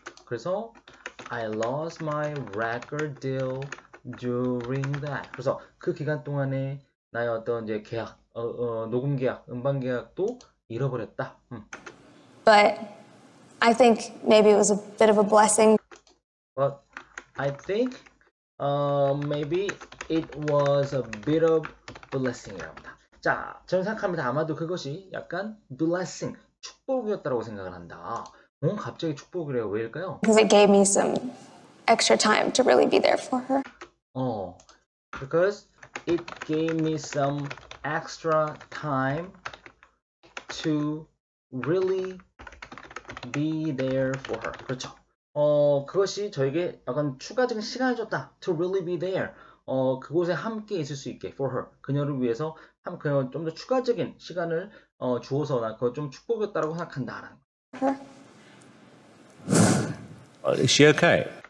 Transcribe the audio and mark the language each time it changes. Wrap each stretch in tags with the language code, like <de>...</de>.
<ko>그래서</ko> <en>I lost my record deal during that.</en> <ko>그래서 그 기간 동안에 나의 어떤 이제 계약, 녹음 계약, 음반 계약도 잃어버렸다.</ko> <en>But I think maybe it was a bit of a blessing. But I think maybe it was a bit of blessing이랍니다.</en> <ko>자, 저는 생각합니다. 아마도 그것이 약간 blessing, 축복이었다고 생각을 한다. 뭔 갑자기 축복이래요? 왜일까요?</ko> <en>Because it gave me some extra time to really be there for her. Because it gave me some extra time to really be there for her.</en> <ko>그렇죠. 그것이 저에게 약간 추가적인 시간을 줬다.</ko> <en>To really be there.</en> <ko>그곳에 함께 있을 수 있게.</ko> <en>For her.</en> <ko>그녀를 위해서 한 그녀 좀더 추가적인 시간을 주어서 나 그거 좀 축복이었다라고 생각한다라는 거.</ko> <en>Is she okay?</en>